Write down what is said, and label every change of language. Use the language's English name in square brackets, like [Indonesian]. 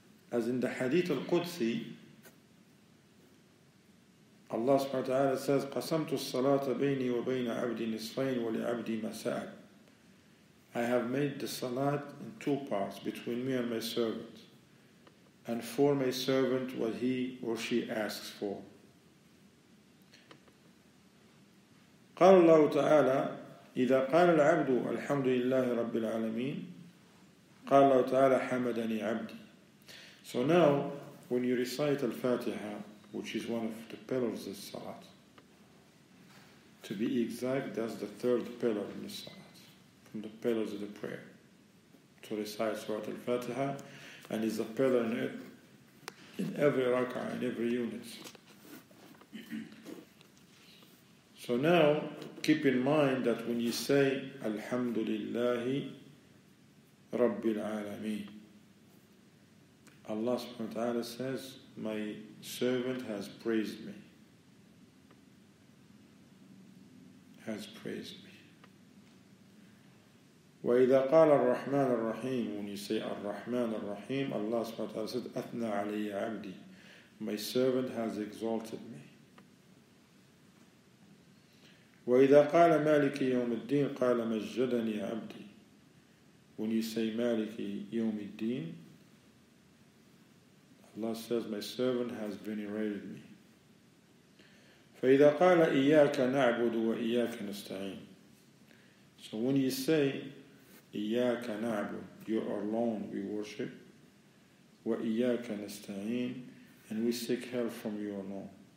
[English] As in the Hadith al-Qudsi, Allah subhanahu wa ta'ala says, [Arabic] قَسَمْتُ الصَّلَاةَ بَيْنِي وَبَيْنَ عَبْدِي نِصْفَيْنِ وَلِعَبْدِي مَسَأَلْ. [English] I have made the salat in two parts between me and my servant. and form a servant what he or she asks for. [Arabic] قال الله تعالى إذا قال العبد الحمد لله رب العالمين قال الله تعالى حمدني عبدي. [English] So now when you recite al-Fatiha, which is one of the pillars of Salat, to be exact, that's the third pillar in the Salat, from the pillars of the prayer. To recite Surat al-Fatiha, and is a pillar in every rak'ah, in every unit. So now, keep in mind that when you say Alhamdulillahi Rabbil Alameen, Allah subhanahu wa ta'ala says, my servant has praised me. Has praised me. [Arabic] وَإِذَا قَالَ الرَّحْمَنَ الرَّحِيمُ, [English] when you say [Arabic] الرَّحْمَنَ الرَّحِيمُ, [English] Allah subhanahu wa ta'ala said, [Arabic] أَثْنَى عَلَيَّ عَبْدِي, [English] my servant has exalted me. [Arabic] وَإِذَا قَالَ مَالِكِ يَوْمِ الدِّينِ قَالَ مَجَّدَنِي عَبْدِي, [English] when you say [Arabic] مَالِكِ يَوْمِ الدِّينِ, [English] Allah says, my servant has venerated me. [Arabic] فَإِذَا قَالَ إِيَّاكَ نَعْبُدُ وَإِيَّاكَ نَسْتَعِينَ, [English] so when you say [Arabic] إِيَّاكَ نَعْبُدُ, [English] you are alone, we worship, [Arabic] وَإِيَّاكَ نَسْتَعِينَ, [English] and we seek help from you alone.